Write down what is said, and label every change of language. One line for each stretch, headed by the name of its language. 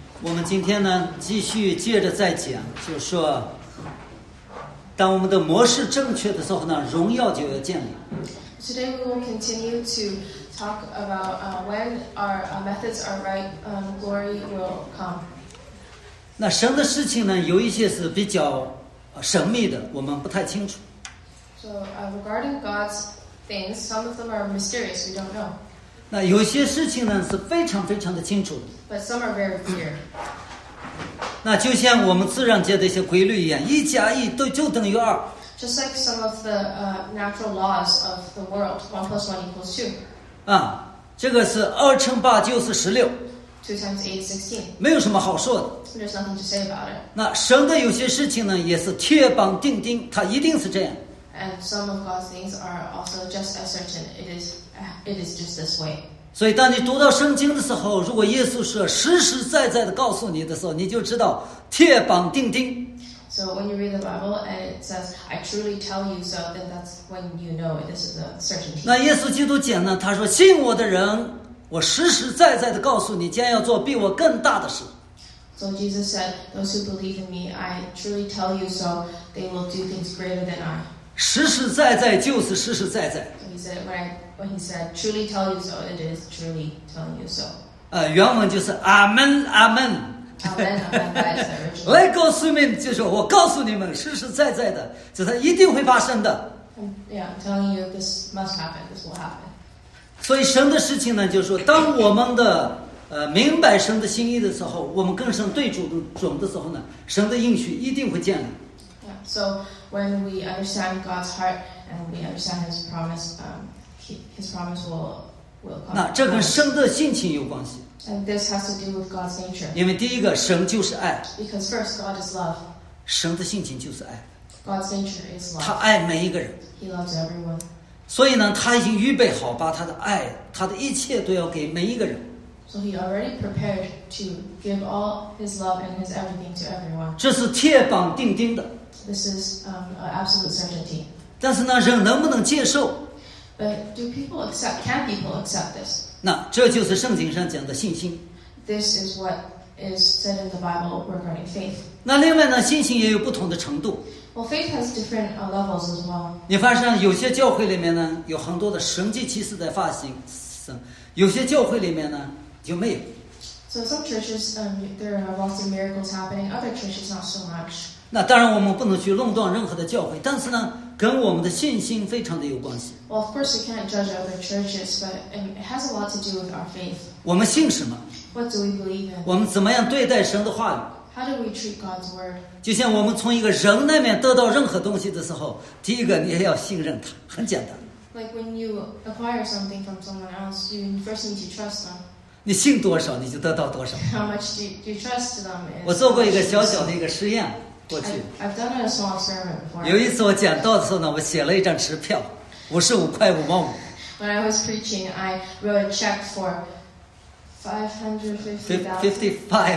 Chinese: 我们今天呢继续接着再讲，就是说当我们的模式正确的时候呢，荣耀就要建立。
English: Today we will continue to talk about when our methods are right, glory will come.
Chinese: 那神的事情呢有一些是比较神秘的，我们不太清楚。
English: So regarding God's things, some of them are mysterious, we don't know.
Chinese: 那有些事情呢是非常非常的清楚的。
English: But some are very clear.
Chinese: 那就像我们自然界的一些规律一样，一加一都就等于二。
English: Just like some of the natural laws of the world, 1+1=2.
Chinese: 啊，这个是2×8=16。
English: 2×8=16。
Chinese: 没有什么好说的。
English: There's nothing to say about it.
Chinese: 那神的有些事情呢，也是铁板钉钉，它一定是这样。
English: And some of God's things are also just as certain. It is just this way.
Chinese: 所以当你读到圣经的时候，如果耶稣是实实在在的告诉你的时候，你就知道铁板钉钉。
English: So when you read the Bible and it says, I truly tell you so, then that's when you know this is a certainty.
Chinese: 那耶稣基督讲呢，他说信我的人，我实实在在的告诉你，将要做比我更大的事。
English: So Jesus said, those who believe in me, I truly tell you so, they will do things greater than I.
Chinese: 实实在在就是实实在在。
English: He said, when he said, truly tell you so, it is truly telling you so.
Chinese: 原文就是 Amen, Amen.
English: Amen, Amen. Let go swimming,
Chinese: 就是我告诉你们实实在在的，就是一定会发生的。
English: Yeah, I'm telling you, this must happen, this will happen.
Chinese: 所以神的事情呢，就是说当我们的明白神的心意的时候，我们跟神对准的时候呢，神的应许一定会建立。
English: So when we understand God's heart and we understand His promise, His promise will come.
Chinese: 那这跟神的性情有关系。
English: And this has to do with God's nature.
Chinese: 因为第一个，神就是爱。
English: Because first, God is love.
Chinese: 神的性情就是爱。
English: God's nature is love.
Chinese: 他爱每一个人。
English: He loves everyone.
Chinese: 所以呢，他已经预备好把他的爱，他的一切都要给每一个人。
English: So he already prepared to give all his love and his everything to everyone.
Chinese: 这是铁板钉钉的。
English: This is absolute certainty.
Chinese: 但是呢，人能不能接受？
English: But do people accept? Can people accept this?
Chinese: 那这就是圣经上讲的信心。
English: This is what is said in the Bible regarding faith.
Chinese: 那另外呢，信心也有不同的程度。
English: Well, faith has different levels as well.
Chinese: 你发现有些教会里面呢，有很多的神迹奇事在发生，有些教会里面呢就没有。
English: So some churches, there are lots of miracles happening. Other churches, not so much.
Chinese: 那当然我们不能去论断任何的教会，但是呢，跟我们的信心非常的有关系。
English: Well, of course we can't judge other churches, but it has a lot to do with our faith.
Chinese: 我们信什么？
English: What do we believe in?
Chinese: 我们怎么样对待神的话语？
English: How do we treat God's word?
Chinese: 就像我们从一个人那边得到任何东西的时候，第一个你也要信任他，很简单。
English: Like when you acquire something from someone else, you first need to trust them.
Chinese: 你信多少你就得到多少。
English: How much do you trust them?
Chinese: 我做过一个小小的一个实验过去。
English: I've done a small experiment before.
Chinese: 有一次我讲道的时候呢，我写了一张支票，55.55。
English: When I was preaching, I wrote a check for $55.